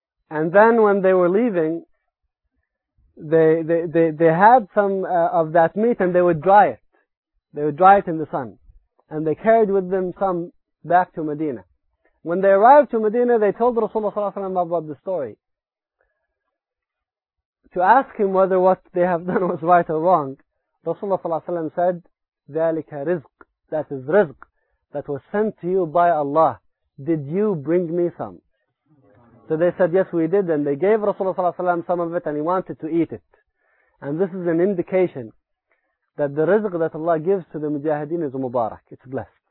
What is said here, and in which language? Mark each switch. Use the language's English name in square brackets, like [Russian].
[English] And then when they were leaving, they had some of that meat, and they would dry it. They would dry it in the sun. And they carried with them some back to Medina. When they arrived to Medina, they told Rasulullah ﷺ about the story, to ask him whether what they have done was right or wrong. Rasulullah ﷺ said, [Arabic] ذَلِكَ رِزْق. [English] That is rizq that was sent to you by Allah. Did you bring me some? So they said, yes, we did. And they gave Rasulullah ﷺ some of it, and he wanted to eat it. And this is an indication that the rizq that Allah gives to the mujahideen is mubarak. It's blessed.